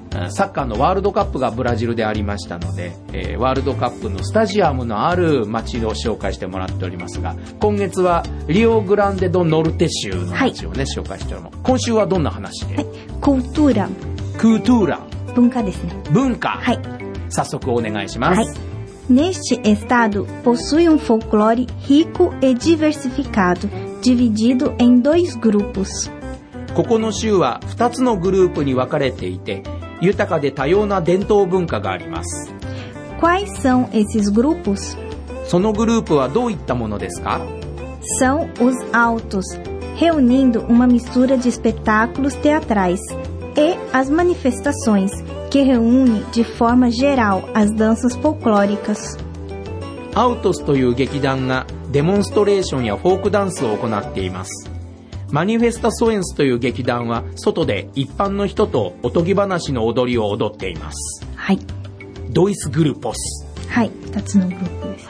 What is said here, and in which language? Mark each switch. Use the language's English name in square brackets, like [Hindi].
[Japanese] サッカーのワールドカップがブラジルでありましたので、ワールドカップのスタジアムのある町を紹介してもらっておりますが、今月はリオグランデドノルテ州の町を、ね、はい、紹介しております。今週はどんな話で、クートーラン、クートーラン、文化ですね。文化、はい、早速お願いします。はい、 [Portuguese] Neste estado possui folclore rico e diversificado, dividido em dois grupos. [Japanese] ここの州は2つのグループに分かれていて、豊かで多様な伝統文化があります。 [Portuguese] Quais são esses grupos? [Japanese] そのグループはどういったものですか? [Portuguese] São os altos, reunindo uma mistura de espetáculos teatrais e as manifestações. Que reúne de forma geral as danças folclóricas. [Japanese] Altos という劇団がデモンストレーションやフォークダンスを行っています。 Manifestações という劇団は外で一般の人とおとぎ話の踊りを踊っています。はい。 [Portuguese] ドイスグルポス。 [Japanese] はい、2つのグループです。